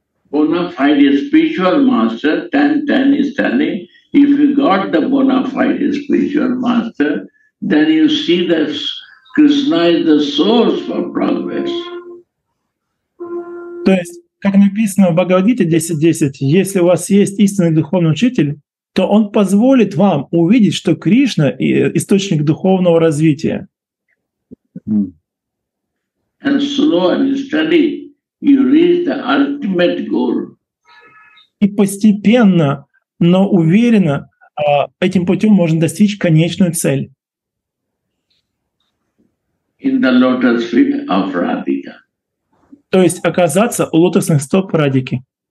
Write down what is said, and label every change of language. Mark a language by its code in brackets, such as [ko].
[en] Bona fide spiritual master, Tan is telling, if you got the bona fide spiritual master, then you see that Krishna is the source for progress. [ru] То есть, как написано в Бхагавад-гите 10.10, если у вас есть истинный духовный учитель, то он позволит вам увидеть, что Кришна — источник духовного развития. [en] And slow and steady, you reach the ultimate goal. [ru] И постепенно, но уверенно, этим путем можно достичь конечную цель. [en] In the lotus feet of Radhika. [ru] То есть оказаться у лотосных стоп Радики.